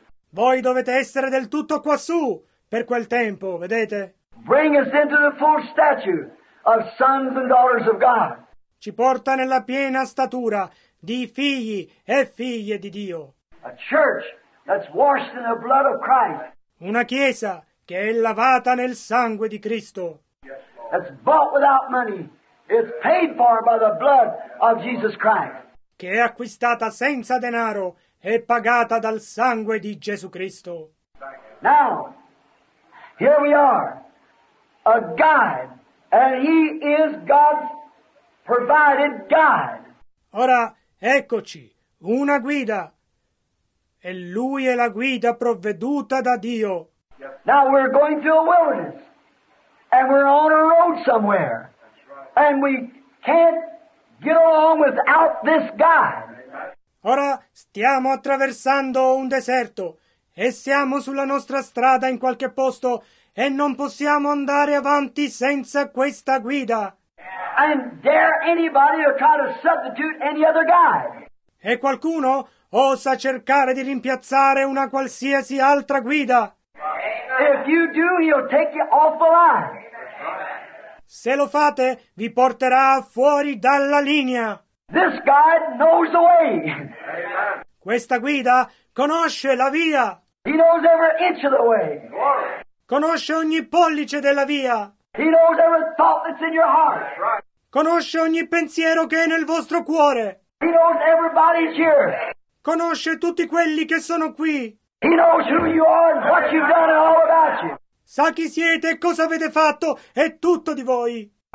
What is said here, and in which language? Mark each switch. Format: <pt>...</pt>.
<it>Voi dovete essere del tutto quassù per quel tempo, vedete?</it> <en>Bring us into the full stature of sons and daughters of God.</en> <it>Ci porta nella piena statura di figli e figlie di Dio.</it> <en>A church that's washed in the blood of Christ.</en> <it>Una chiesa che è lavata nel sangue di Cristo.</it> <en>That's bought without money. It's paid for by the blood of Jesus Christ.</en> <it>Che è acquistata senza denaro e pagata dal sangue di Gesù Cristo.</it> <en>Now, here we are. A guide, and he is God's provided guide.</en> <it>Ora, eccoci, una guida, e lui è la guida provveduta da Dio.</it> <en>Now we're going through a wilderness, and we're on a road somewhere, and we can't get along without this guide.</en> <it>Ora, stiamo attraversando un deserto, e siamo sulla nostra strada in qualche posto, e non possiamo andare avanti senza questa guida.</it> <en>And dare anybody to try to substitute any other guide.</en> <it>E qualcuno osa cercare di rimpiazzare una qualsiasi altra guida.</it> <en>If you do, he'll take you off the line.</en> <it>Se lo fate, vi porterà fuori dalla linea.</it> <en>This guide knows the way.</en> <it>Questa guida conosce la via.</it> <en>He knows every inch of the way.</en> <it>Conosce ogni pollice della via.</it> <en>He knows every thought that's in your heart.</en> <it>Conosce ogni pensiero che è nel vostro cuore.</it> <en>He knows everybody's here.</en> <it>Conosce tutti quelli che sono qui.</it> <en>He knows who you are and what you've done and all about you.</en> <it>Sa chi siete e cosa avete fatto e tutto di voi.</it>